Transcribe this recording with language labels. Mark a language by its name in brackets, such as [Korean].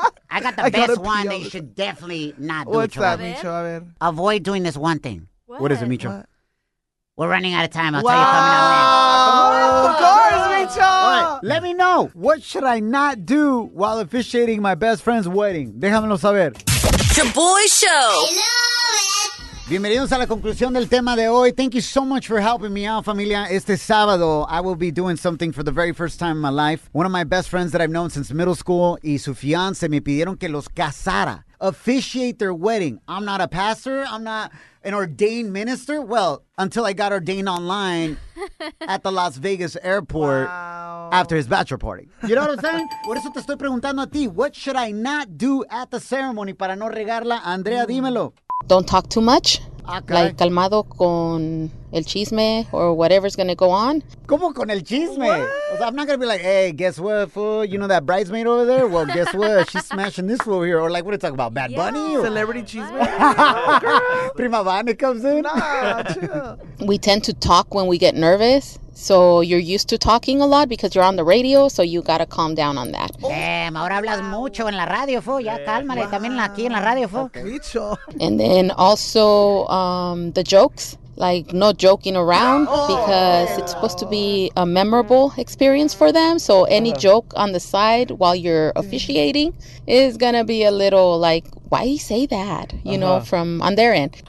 [English] I got the best one that you should definitely not do. What's that, Micho? Avoid doing this one thing. What is it, Micho? We're running out of time. I'll tell you coming out later. Of course, Micho. Let me know. What should I not do while officiating my best friend's wedding? [Spanish] Déjamelo saber. [English] The Boy Show. [Spanish] Bienvenidos a la conclusión del tema de hoy. [English] Thank you so much for helping me out, familia. [Spanish] Este sábado, [English] I will be doing something for the very first time in my life. One of my best friends that I've known since middle school [Spanish] y su fiance me pidieron que los casara. [English] Officiate their wedding. I'm not a pastor. I'm not an ordained minister. Well, until I got ordained online at the Las Vegas airport. Wow. After his bachelor party. You know what I'm saying? [Spanish] Por eso te estoy preguntando a ti. [English] What should I not do at the ceremony [Spanish] para no regarla? [English] Andrea, [Spanish] dímelo. [English] Don't talk too much. Okay. Like, [Spanish] calmado con el chisme [English] or whatever's going to go on. [Spanish] ¿Cómo con el chisme? [English] What? I'm not going to be like, hey, guess what, fool? You know that bridesmaid over there? Well, guess what? She's smashing this fool here. Or like, what are you talking about? Bad Bunny? Or... Celebrity chisme? Prima Vane comes in? Nah, chill. We tend to talk when we get nervous. So you're used to talking a lot because you're on the radio, so you got to calm down on that. [Spanish] Damn, ahora hablas mucho en la radio, fo. Ya cálmale, también aquí en la radio, fo. Micho. [English] And then also the jokes, like no joking around because it's supposed to be a memorable experience for them. So any joke on the side while you're officiating is going to be a little like, why you say that, you know, from on their end.